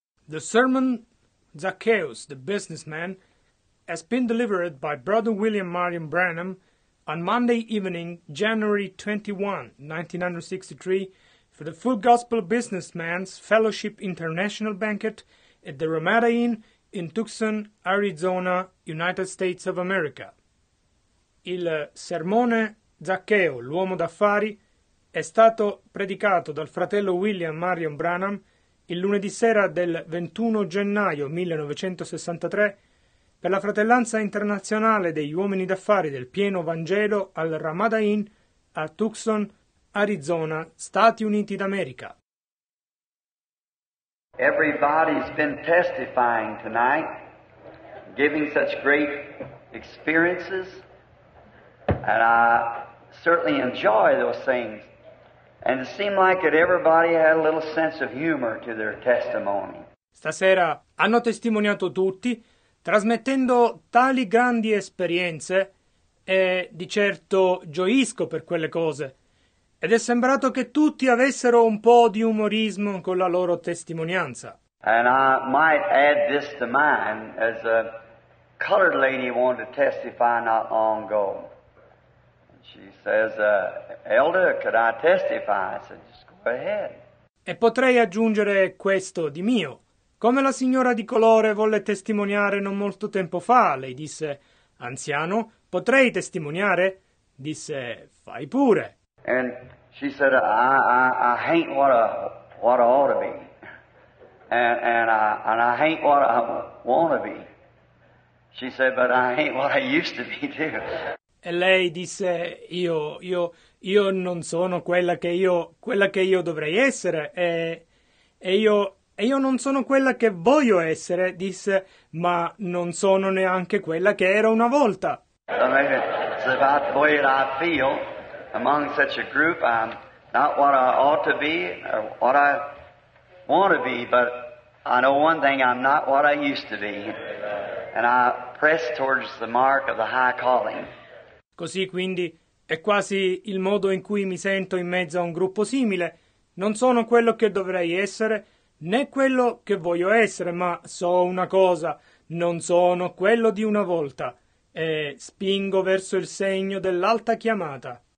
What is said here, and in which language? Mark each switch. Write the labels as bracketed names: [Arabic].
[English] The sermon, Zacchaeus, the Businessman, has been delivered by Brother William Marion Branham on Monday evening, January 21, 1963, for the Full Gospel Businessman's Fellowship International Banquet at the Ramada Inn in Tucson, Arizona, United States of America. [Italian] Il sermone Zaccheo, l'uomo d'affari, è stato predicato dal fratello William Marion Branham il lunedì sera del 21 gennaio 1963 per la Fratellanza Internazionale degli Uomini d'Affari del Pieno Vangelo al Ramada Inn a Tucson, Arizona, Stati Uniti d'America. [English] Everybody's been testifying tonight, giving such great experiences, and I certainly enjoy those things. And it seemed like that everybody had a little sense of humor to their testimony. [Italian] Stasera hanno testimoniato tutti, trasmettendo tali grandi esperienze, e di certo gioisco per quelle cose. Ed è sembrato che tutti avessero un po' di umorismo con la loro testimonianza. [English] And I might add this to mine, as a colored lady wanted to testify not long ago. She says, Elder, could I testify? I said, just go ahead. [Italian] E potrei aggiungere questo di mio. Come la signora di colore volle testimoniare non molto tempo fa, lei disse, anziano, potrei testimoniare? Disse, fai pure. [English] And she said, I hain't what I ought to be, and I hain't what I want to be. She said, but I hain't what I used to be too. [Italian] E lei disse, io non sono quella che io dovrei essere, e io non sono quella che voglio essere, disse, ma non sono neanche quella che ero una volta. [English] So maybe it's about the way that I feel among such a group. I'm not what I ought to be or what I want to be, but I know one thing, I'm not what I used to be, and I press towards the mark of the high calling. [Italian] Così quindi è quasi il modo in cui mi sento in mezzo a un gruppo simile. Non sono quello che dovrei essere, né quello che voglio essere, ma so una cosa, non sono quello di una volta, e spingo verso il segno dell'alta chiamata.